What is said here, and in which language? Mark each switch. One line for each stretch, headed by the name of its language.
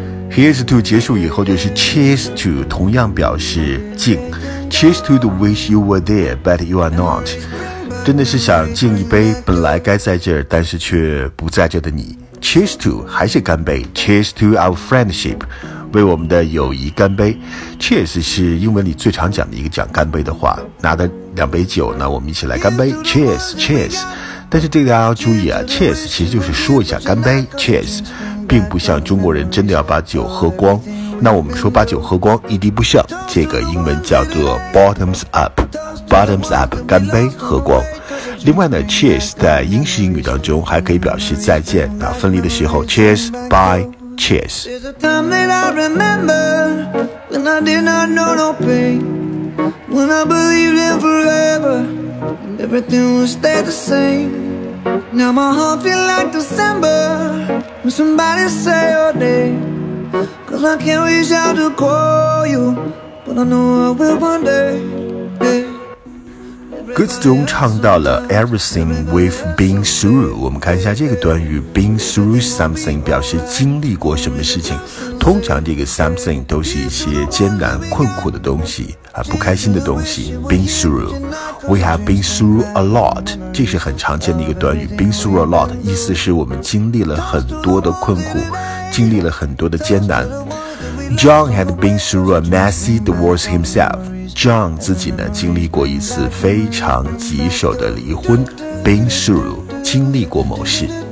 Chinese: Here's to 结束以后就是 Cheers to, 同样表示敬。
English: Cheers to the wish you were there, but you are not,
Chinese: 真的是想敬一杯本来该在这儿但是却不在这的你。 Cheers to, 还是干杯。
English: Cheers to our friendship,
Chinese: 为我们的友谊干杯。 Cheers 是英文里最常讲的一个讲干杯的话，拿的两杯酒呢，我们一起来干杯。 Cheers, Cheers, 但是这个大家要注意啊， Cheers 其实就是说一下干杯。 Cheers并不像中国人真的要把酒喝光，那我们说把酒喝光一滴不剩，这个英文叫做 bottoms up, bottoms up, 干杯喝光。另外呢 cheers 在英式英语当中还可以表示再见，那分离的时候 cheers, bye, cheers.
English: There's a time that I remember when I did not know no pain, when I believed in forever and everything would stay the same. Now my heart feel like December when somebody say your name, cause I can't reach out to call you, but I know I will one day, yeah.
Chinese: 歌词中唱到了
English: Everything we've been through,
Chinese: 我们看一下这个段语
English: Been through something
Chinese: 表示经历过什么事情，通常这个 something 都是一些艰难困苦的东西啊，不开心的东西。 Been through,
English: We have been through a lot,
Chinese: 这是很常见的一个短语。
English: Been through a lot
Chinese: 意思是我们经历了很多的困苦，经历了很多的艰难。
English: John had been through a messy divorce himself,
Chinese: John 自己呢经历过一次非常棘手的离婚。 Been through, 经历过某事。